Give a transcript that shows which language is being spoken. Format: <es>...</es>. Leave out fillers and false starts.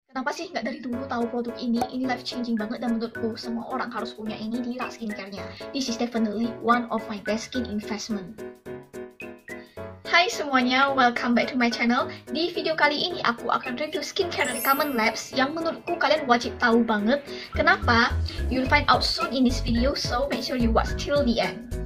<id>Kenapa sih nggak dari dulu tahu produk ini</id> <en>life changing</en> <id>banget dan menurutku semua orang harus punya ini di rak skincarenya.</id> <en>This is definitely one of my best skin investment.</en> <id>Hai semuanya,</id> <en>welcome back to my channel.</en> <id>Di video kali ini aku akan review skincare dari Commonlabs yang menurutku kalian wajib tahu banget. Kenapa?</id> <en>You'll find out soon in this video, so make sure you watch till the end.</en>